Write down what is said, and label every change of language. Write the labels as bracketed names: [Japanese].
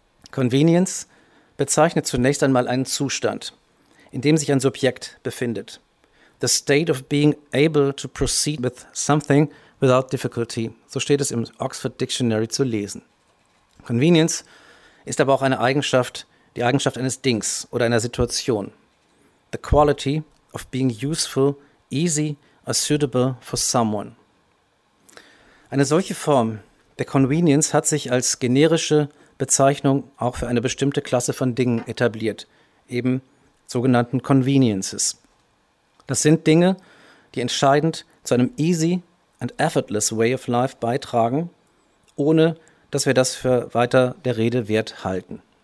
[German] Convenience bezeichnet zunächst einmal einen Zustand, in dem sich ein Subjekt befindet. [English] The state of being able to proceed with something without difficulty, [German] so steht es im Oxford Dictionary zu lesen. Convenience ist aber auch eine Eigenschaft, die Eigenschaft eines Dings oder einer Situation. [English] The quality of being useful, easy or suitable for someone. [German] Eine solche Form der Convenience hat sich als generische Bezeichnung auch für eine bestimmte Klasse von Dingen etabliert, eben sogenannten Conveniences. Das sind Dinge, die entscheidend zu einem [English] easy and effortless way of life [German] beitragen, ohne dass wir das für weiter der Rede wert halten.